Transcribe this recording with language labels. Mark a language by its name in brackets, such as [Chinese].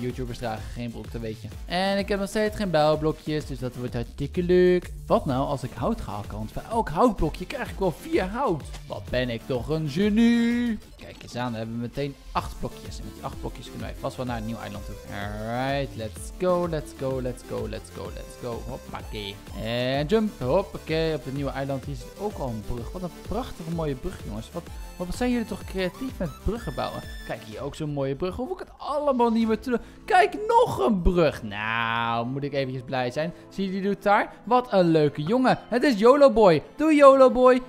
[Dutch] YouTubers dragen geen broek, dat weet je. En ik heb nog steeds geen bouwblokjes, dus dat wordt hartstikke leuk. Wat nou als ik hout ga hakken? Want voor elk houtblokje krijg ik wel 4 hout. Wat ben ik toch een genie. Kijk eens aan, dan hebben we meteen 8 blokjes. En met die 8 blokjes kunnen wij vast wel naar een nieuw eiland toe. [English] Alright, let's go, let's go, let's go, let's go, let's go. [Dutch] Hoppakee. En jump, hoppakee. Op het nieuwe eiland hier zit ook al een brug. Wat een prachtige mooie brug, jongens. Wat zijn jullie toch creatief met bruggen bouwen? Kijk, hier ook zo'n mooie brug. Hoef ik het allemaal niet meer te doen? Kijk, nog een brug. Nou, moet ik eventjes blij zijn. Zie je die doet daar? Wat een leuke jongen. Het is YOLO boy. Doe YOLO boy.